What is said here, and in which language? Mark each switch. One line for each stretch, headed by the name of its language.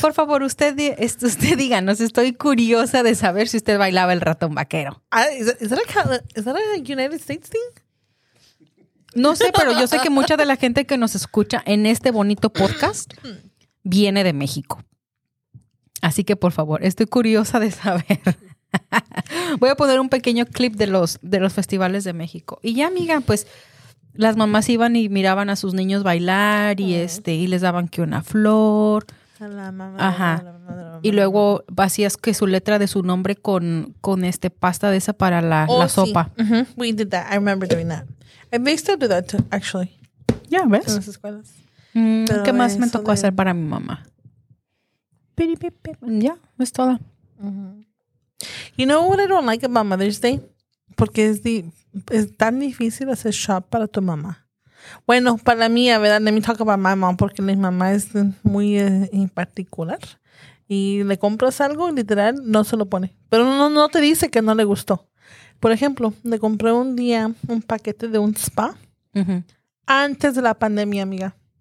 Spanish: Por favor, usted díganos, estoy curiosa de saber si usted bailaba el ratón vaquero.
English: Is that a United States thing?
Spanish: No sé, pero yo sé que mucha de la gente que nos escucha en este bonito podcast viene de México. Así que, por favor, estoy curiosa de saber. Voy a poner un pequeño clip de los festivales de México. Y ya, amiga, pues las mamás iban y miraban a sus niños bailar y y les daban que una flor. Ajá. Y luego vacías que su letra de su nombre con pasta de esa para la sopa. Sí. Uh-huh.
English: We did that. I remember doing that. And they still do that, too, actually.
Spanish: Yeah, ¿ves? En las escuelas. Pero, ¿qué más me tocó hacer para mi mamá? Ya, es toda. Uh-huh.
English: You know what I don't like about Mother's Day?
Spanish: Porque es tan difícil hacer shop para tu mamá. Bueno, para mí, a ver,
English: let me talk about my mom,
Spanish: porque mi mamá es muy en particular. Y le compras algo, literal, no se lo pone. Pero no te dice que no le gustó. Por ejemplo, le compré un día un paquete de un spa antes de la pandemia, amiga.